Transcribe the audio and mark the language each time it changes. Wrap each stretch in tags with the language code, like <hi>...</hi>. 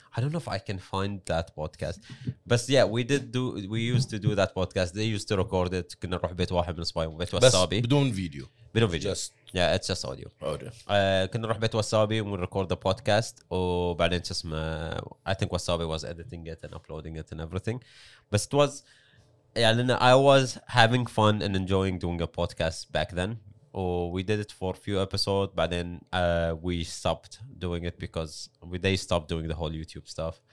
<en>I don't know if I can find that podcast. But yeah, we used to do that podcast. They used to record it.</en> <ar>كنا نروح بيت واحد من صبايا وبيت وسابي. بدون فيديو.</ar> <en>It's just audio.</en> <ar>كنا نروح بيت وسابي ونريكورد</ar> <en>the podcast.</en> <ar>وبعدين</ar> <en>I think Wasabi was editing it and uploading it and everything. But it was I was having fun and enjoying doing a podcast back then. We did it for a few episodes, but then we stopped doing it because they stopped doing the whole YouTube stuff.</en>